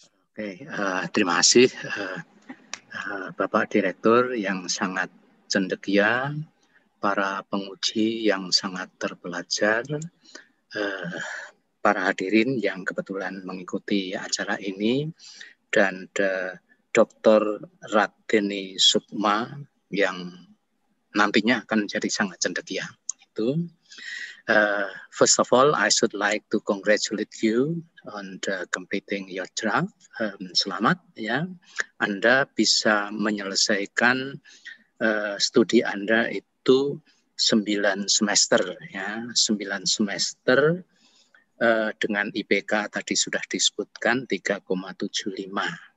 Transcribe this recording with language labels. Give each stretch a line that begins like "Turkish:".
Indonesian: Oke, terima kasih Bapak Direktur yang sangat cendekia, para penguji yang sangat terpelajar, para hadirin yang kebetulan mengikuti acara ini, dan Dr. Radeni Sukma yang nantinya akan menjadi sangat cendekia.
English: Itu, first of all, I should like to congratulate you on the completing your draft.
Indonesian: Selamat ya, Anda bisa menyelesaikan studi Anda itu 9 semester ya, 9 semester dengan IPK tadi sudah disebutkan 3,75.